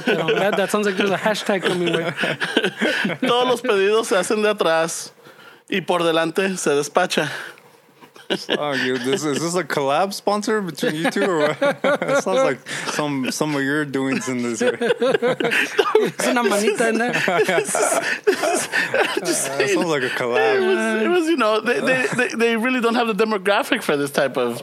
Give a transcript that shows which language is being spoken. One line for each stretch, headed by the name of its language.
English: That sounds like there's a hashtag coming, güey.
Spanish: Todos los pedidos se hacen de atrás. Y por delante se despacha.
English: Is this a collab sponsor between you two? Or it sounds like some of your doings in this. It's
Spanish: una manita
English: in there. Sounds like a collab. It was, you know, they really don't have the demographic for this type of.